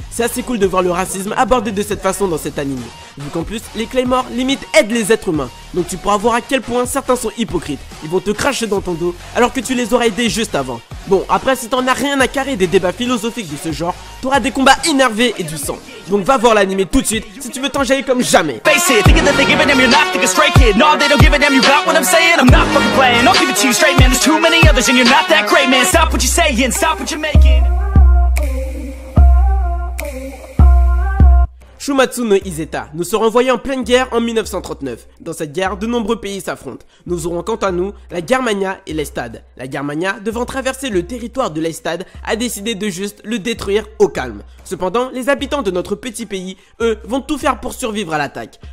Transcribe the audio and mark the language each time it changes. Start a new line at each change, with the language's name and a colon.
French: C'est assez cool de voir le racisme abordé de cette façon dans cet animé. Vu qu'en plus, les Claymores limite aident les êtres humains. Donc tu pourras voir à quel point certains sont hypocrites. Ils vont te cracher dans ton dos alors que tu les auras aidés juste avant. Bon, après si t'en as rien à carrer des débats philosophiques de ce genre, t'auras des combats énervés et du sang. Donc va voir l'animé tout de suite si tu veux t'enjailler comme jamais.
English: Face it, thinking that they give a damn, you're not thinking straight kid. No, they don't give a damn, you got what I'm saying? I'm not fucking playing, I'll give it to you straight man. There's too many others and you're not that great man. Stop what you're saying, stop what you're making.
Japanese: Shumatsu no Iseta.
French: Nous serons envoyés en pleine guerre en 1939. Dans cette guerre, de nombreux pays s'affrontent. Nous aurons quant à nous la Germania et l'Estad. La Germania, devant traverser le territoire de l'Estad, a décidé de juste le détruire au calme. Cependant, les habitants de notre petit pays, eux, vont tout faire pour survivre à l'attaque.